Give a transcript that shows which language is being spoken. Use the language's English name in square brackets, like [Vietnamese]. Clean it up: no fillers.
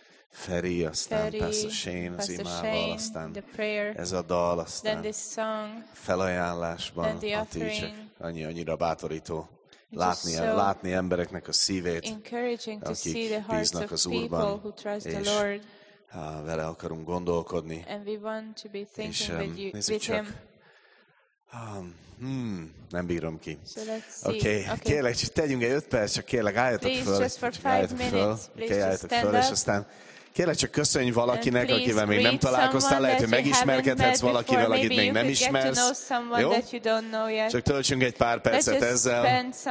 [Hungarian] Feri, aztán Pastor Shane az imával, aztán ez a dal, aztán felajánlásban, annyira bátorító látni, látni embereknek a szívét, akik bíznak az Úrban, és vele akarunk gondolkodni. [English] And we want to be thinking with you, with him. [Hungarian] Nem bírom ki. Okay. Kérlek, csak tegyünk egy 5 perc, csak kérlek, álljatok [English] please, [Hungarian] föl. [English] Just for 5 minutes. Okay, [Hungarian] álljatok föl, és aztán kérlek, csak köszönj valakinek, akivel még nem találkoztál, lehet, hogy megismerkedhetsz valakivel, akit még nem ismersz. Jó? Csak töltsünk egy pár percet ezzel.